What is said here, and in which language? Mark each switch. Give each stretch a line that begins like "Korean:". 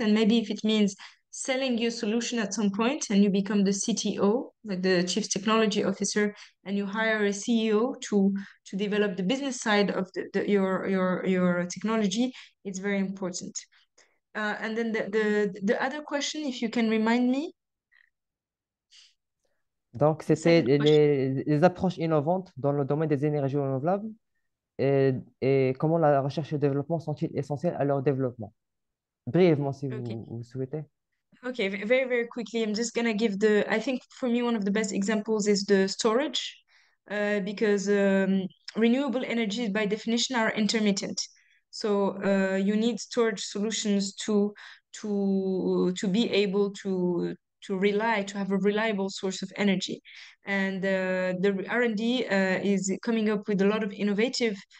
English: And maybe if it means selling your solution at some point and you become the CTO, like the chief technology officer, and you hire a CEO to develop the business side of your technology, it's very important. And then the other question, if you can remind me.
French: Donc, c'était les approches innovantes dans le domaine des énergies renouvelables et comment la recherche et le développement sont-ils essentiels à leur développement? Brièvement, si vous souhaitez.
English: OK, very, very quickly, I'm just going to give the... I think for me, one of the best examples is the storage, because renewable energies, by definition, are intermittent. So you need storage solutions to be able to have a reliable source of energy. And the R&D is coming up with a lot of innovative